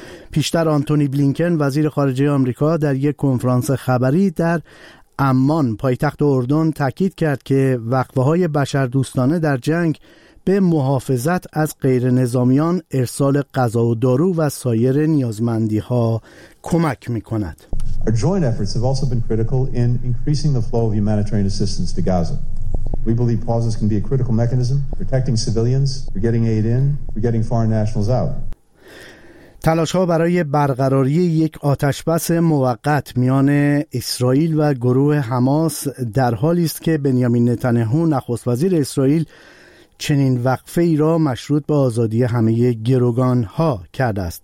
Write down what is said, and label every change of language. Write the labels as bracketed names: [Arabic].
[Persian] پیشتر آنتونی بلینکن وزیر خارجه آمریکا در یک کنفرانس خبری در عمان پایتخت اردن تاکید کرد که وقفه‌های بشردوستانه در جنگ به محافظت از غیرنظامیان، ارسال غذا و دارو و سایر نیازمندی‌ها کمک می‌کند. [English] Our joint efforts have also been critical in increasing the flow of humanitarian assistance to Gaza. We believe pauses can be a critical mechanism for protecting civilians, for getting aid in, for getting foreign nationals out. [Persian] تلاش‌ها برای برقراری یک آتش‌بس موقت میان اسرائیل و گروه حماس در حالی است که بنیامین نتانیاهو نخست وزیر اسرائیل چنین وقفه‌ای را مشروط به آزادی همه گروگان‌ها کرده است.